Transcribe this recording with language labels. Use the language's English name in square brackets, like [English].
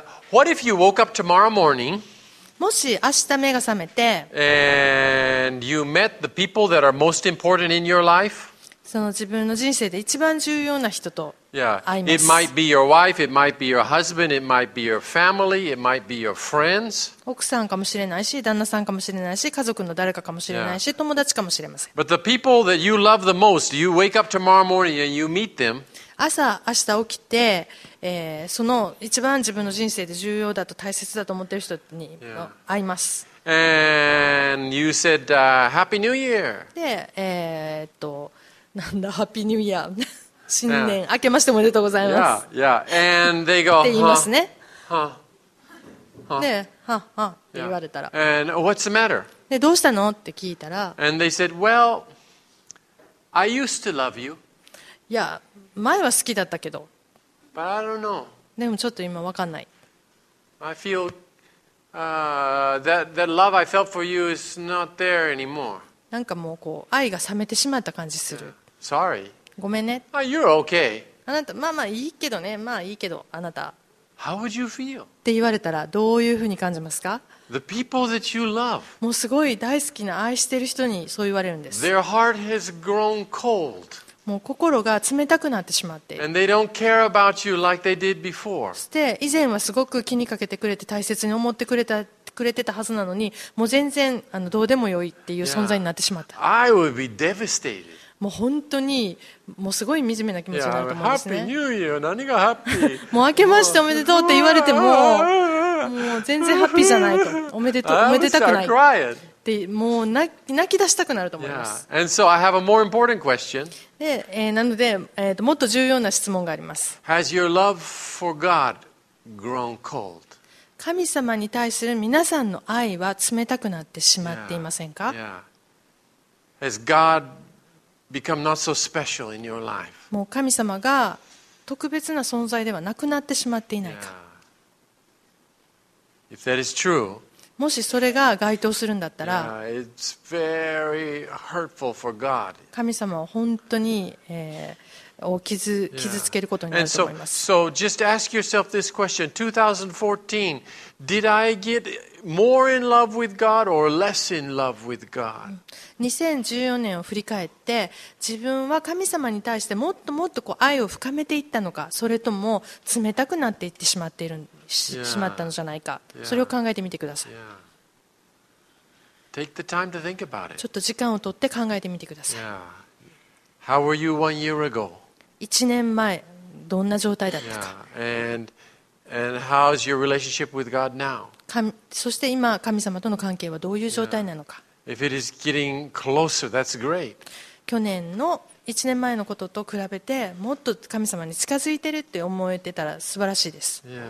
[English] What if you woke up tomorrow morning? [Japanese] もし明日目が覚めて、 [English] and you met the people that are most important in your life? [Japanese] その自分の人生で一番重要な人と会います。 [English] Yeah. It might be your wife, it might be your husband, it might be your family, it might be your friends. [Japanese] 奥さんかもしれないし、旦那さんかもしれないし、家族の誰かかもしれないし、yeah. 友達かもしれません。 [English] But the people that you love the most, you wake up tomorrow morning and you meet them. [Japanese] 朝明日起きて、その一番自分の人生で重要だと大切だと思っている人に会います。 [English] And you said, Happy New Year. [Japanese] で、なんだ、 [English] Happy New Year. [Japanese] 新年、明けましておめでとうございます。 [English] Yeah, yeah. And they go, [Japanese] って言いますね。で、はっはっって言われたら。 [English] And what's the matter? [Japanese] で、どうしたのって聞いたら。 [English] And they said, well, I used to love you. [Japanese] いや、前は好きだったけど。 [English] But I don't know. [Japanese] でもちょっと今分かんない。 [English] I feel, that love I felt for you is not there anymore. [Japanese] なんかもうこう、愛が冷めてしまった感じする。 [English] Yeah. Sorry. [Japanese] ごめんね。 [English] Oh, you're okay. [Japanese] あなた、まあまあいいけどね、まあいいけど、あなた。 [English] How would you feel? [Japanese] って言われたらどういうふうに感じますか? [English] The people that you love. [Japanese] もうすごい大好きな愛してる人にそう言われるんです。 [English] Their heart has grown cold. [Japanese] もう心が冷たくなってしまって。 [English] And they don't care about you like they did before. [Japanese] そして以前はすごく気にかけてくれて大切に思ってくれてたはずなのに、もう全然どうでもよいっていう存在になってしまった。 [English] Yeah. I would be devastated. [Japanese] もう本当にもうすごい惨めな気持ちになると思うんですね。 [English] Yeah, Happy New Year. [Japanese] 何がハッピー？もう明けましておめでとうって言われても、もう全然ハッピーじゃないと。おめでとう、おめでたくない。でもう泣き出したくなると思います。 [English] Yeah. And so I have a more important question. [Japanese] で、なので、もっと重要な質問があります。 [English] Has your love for God grown cold? [Japanese] 神様に対する皆さんの愛は冷たくなってしまっていませんか？ [English] Yeah. Has God become not so special in your life? [Japanese] もう神様が特別な存在ではなくなってしまっていないか。 [English] Yeah. If that is true, [Japanese] もしそれが該当するんだったら、 [English] yeah, it's very hurtful for God. [Japanese] 神様は本当に、傷つけることになると思います。 [English] And so just ask yourself this question. 2014, did I get more in love with God or less in love with God? [Japanese] 2014年を振り返って、自分は神様に対してもっともっとこう愛を深めていったのか、それとも冷たくなっていってしまっているのか。しまったのじゃないか、yeah. それを考えてみてください、 [English] yeah. Take the time to think about it. [Japanese] ちょっと時間を取って考えてみてください、 [English] yeah. How were you one year ago? [Japanese] 1年前どんな状態だったか、 [English] yeah. and how's your relationship with God now? [Japanese] そして今神様との関係はどういう状態なのか、 [English] yeah. If it is getting closer, that's great. [Japanese] 去年の1年前のことと比べてもっと神様に近づいてるって思えてたら素晴らしいです、